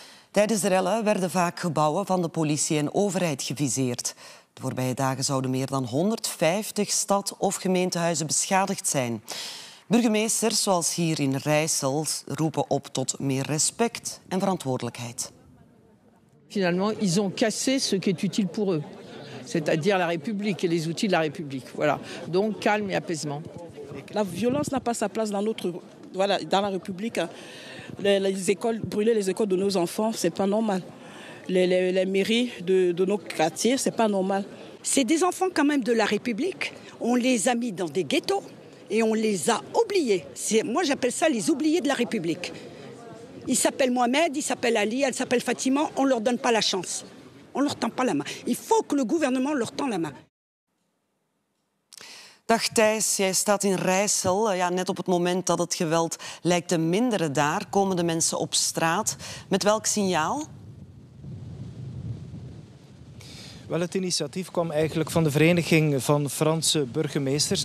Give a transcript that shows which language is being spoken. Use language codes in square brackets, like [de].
[nl] Tijdens de rellen werden vaak gebouwen van de politie en overheid geviseerd. De voorbije dagen zouden meer dan 150 stad- of gemeentehuizen beschadigd zijn. Burgemeesters, zoals hier in Rijssel, roepen op tot meer respect en verantwoordelijkheid. [fr] Finalement, ils ont cassé ce qui est utile pour eux, c'est-à-dire la République et les outils de la République. Voilà. Donc calme et apaisement. La violence n'a pas sa place dans notre voilà, dans la République. Les écoles brûler les écoles de nos enfants, c'est pas normal. Les mairies de nos quartiers, c'est pas normal. C'est des enfants quand même de la République. On les a mis dans des ghettos. Et on les a oubliés. Moi, j'appelle ça les oubliés de la République. Ils s'appellent Mohamed, ils s'appellent Ali, elles s'appellent Fatima. On ne leur donne pas la chance. On ne leur tend pas la main. Il faut que le gouvernement leur tende la main. [nl] Dag Thijs, jij staat in Rijssel. Ja, net op het moment dat het geweld lijkt te minderen daar, komen de mensen op straat. Met welk signaal? Wel, het initiatief kwam eigenlijk van de Vereniging van Franse Burgemeesters.